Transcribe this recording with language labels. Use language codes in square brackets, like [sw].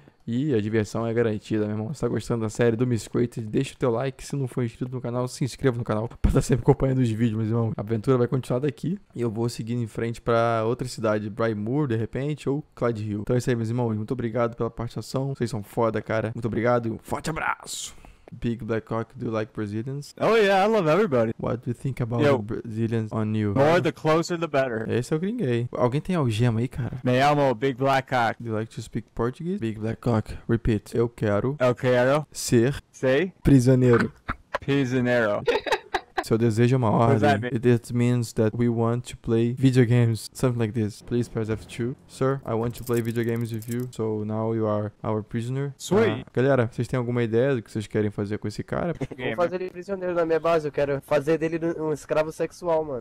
[pt] E a diversão é garantida, meu irmão. Se tá gostando da série do Misquated, deixa o teu like. Se não for inscrito no canal, se inscreva no canal. Pra estar sempre acompanhando os vídeos, meu irmão. A aventura vai continuar daqui. E eu vou seguindo em frente pra outra cidade. Brightmoor, de repente, ou Clyde Hill. Então é isso aí, meus irmãos. Muito obrigado pela participação. Vocês são foda, cara. Muito obrigado e um forte abraço. [en] Big Black Hawk, do you like Brazilians? Oh yeah, I love everybody. What do you think about Yo, Brazilians on you? More the closer the better. [pt] Esse é o gringuei. Alguém tem algema aí, cara? Me amo Big Black Hawk. [en] Do you like to speak Portuguese? Big Black Hawk, repeat. [pt] Eu quero. Ser. Sei. Prisioneiro. Prisioneiro. Seu desejo é uma ordem. [en] It means that we want to play video games. Something like this. Please press F2. Sir, I want to play video games with you. So now you are our prisoner. Sweet. [pt] Galera, vocês têm alguma ideia do que vocês querem fazer com esse cara? Vou fazer ele prisioneiro na minha base. Eu quero fazer dele um escravo sexual, mano.